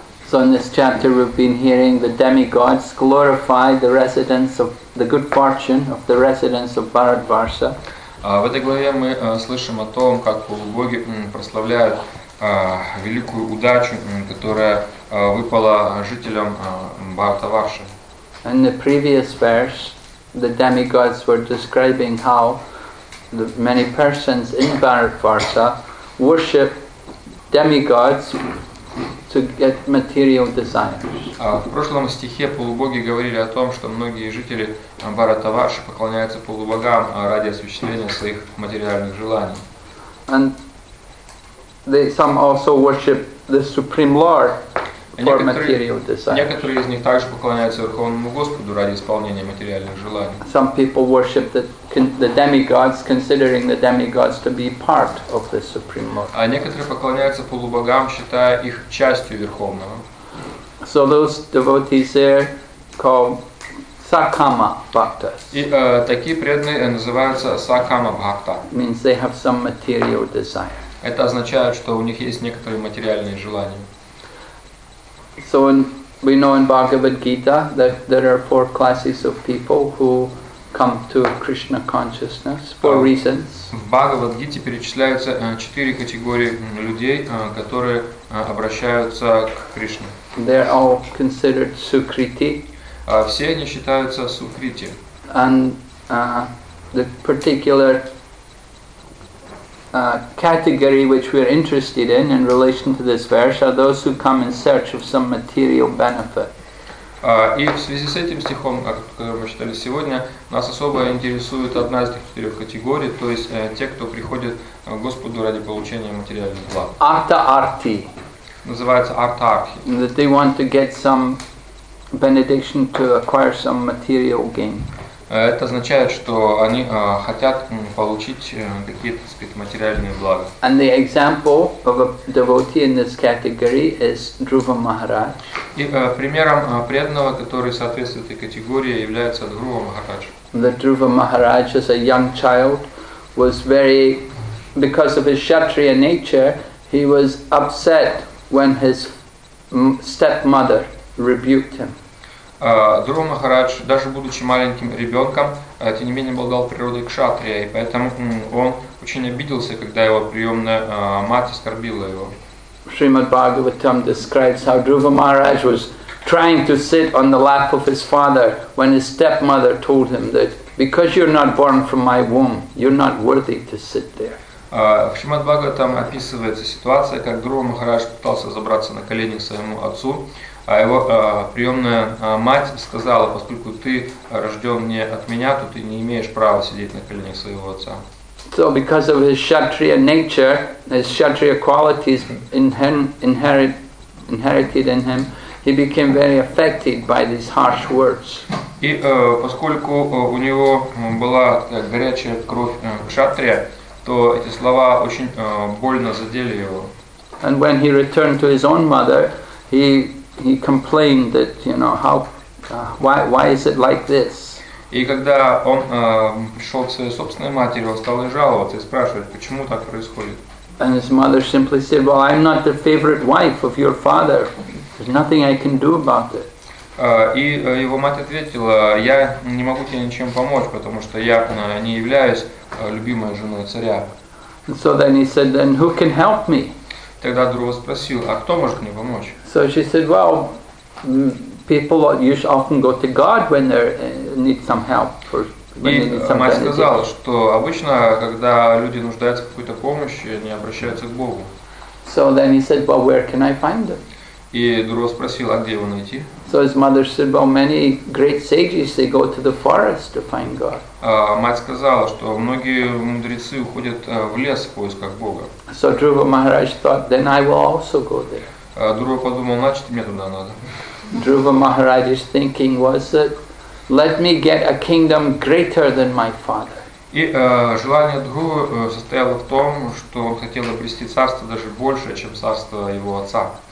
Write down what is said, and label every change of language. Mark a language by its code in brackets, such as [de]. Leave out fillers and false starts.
[en] So in this chapter we've been hearing the demigods glorify the residents of the good fortune of the residents of Bharatvarsha. [ru] В этой главе мы слышим о том, как боги прославляют великую удачу, которая выпала жителям Бхартаварши. [en] In the previous verse, the demigods were describing how the many persons in Bharatvarsha worship demigods to get material desires. [ru] В прошлом стихе полубоги говорили о том, что многие жители Бхартаварши поклоняются полубогам ради осуществления своих материальных желаний. [en] And they some also worship the Supreme Lord for material desires. [ru] Некоторые из них также поклоняются Верховному Господу ради исполнения материальных желаний. [en] Some people worship the demigods, considering the demigods to be part of the Supreme Lord. [ru] А некоторые поклоняются полубогам, считая их частью Верховного. [en] So those devotees there called Sakama Bhaktas. [ru] И такие преданные называются Sakama Bhakta. [en] Means they have some material desire. [ru] Это означает, что у них есть некоторые материальные желания. [en] So in, we know in Bhagavad Gita that there are four classes of people who come to Krishna consciousness for reasons. [ru] В Бхагавад Гите перечисляются четыре категории людей, которые обращаются к Кришне. [en] They are all considered Sukriti. [ru] Все они считаются Sukriti. [en] And the particular category which we are interested in relation to this verse are those who come in search of some material benefit. [ru] И в связи с этим стихом, который мы читали сегодня, нас особо интересует одна из этих четырех категорий, то есть те, кто приходит к Господу ради получения материальных благ. Артаарти. Называется артаархи. [en] That they want to get some benediction to acquire some material gain. [ru] Это означает, что они хотят получить какие-то, так сказать, материальные блага. [en] And the example of a devotee in this category is Dhruva Maharaj. [ru] И примером преданного, который соответствует этой категории, является Dhruva Maharaj. [en] The Dhruva Maharaj, as a young child, was very, because of his kshatriya nature, he was upset when his stepmother rebuked him. [ru] Дхрува Махарадж, даже будучи маленьким ребенком, тем не менее обладал природой кшатрия, и поэтому он очень обиделся, когда его приемная мать оскорбила его. [en] Шримад Бхагаватам describes how Dhruva Maharaj was trying to sit on the lap of his father when his stepmother told him that because you're not born from my womb, you're not worthy to sit there. [ru] В Шримад Бхагаватам описывается ситуация, как Дхрува Махарадж пытался забраться на колени к своему отцу. А его приемная мать сказала, поскольку ты рожден не от меня, то ты не имеешь права сидеть на коленях своего отца. [en] So because of his kshatriya nature, his kshatriya qualities inherited in him, he became very affected by these harsh words. [ru] И поскольку у него была горячая кровь кшатрия, то эти слова очень больно задели его. [en] And when he returned to his own mother, he complained that, you know, why is it like this? [ru] И когда он пришел к своей собственной матери, он стал жаловаться и спрашивать, почему так происходит. [en] And his mother simply said, well, I'm not the favorite wife of your father. There's nothing I can do about it. [ru] И его мать ответила, я не могу тебе ничем помочь, потому что я не являюсь любимой женой царя. [en] And so then he said, then who can help me? [ru] Тогда Дхрува спросил, а кто может мне помочь? [en] So she said, well, people usually often go to God when they need some help. [ru] Мать сказала, что обычно, когда люди нуждаются в какой-то помощи, они обращаются к Богу. [en] So then he said, well, where can I find them? [ru] И Дхрува спросил, а где его найти? [en] So his mother said, well, many great sages, they go to the forest to find God. [ru] Мать сказала, что многие мудрецы уходят в лес в поисках Бога. [en] So Dhruva Maharaj thought, then I will also go there. [ru] Дхрува подумал, значит, мне туда надо. [en] Dhruva Maharaj's thinking was that, let me get a kingdom greater than my father. [ru] И желание Дхрувы состояло в том, что он хотел обрести царство даже больше, чем царство его отца.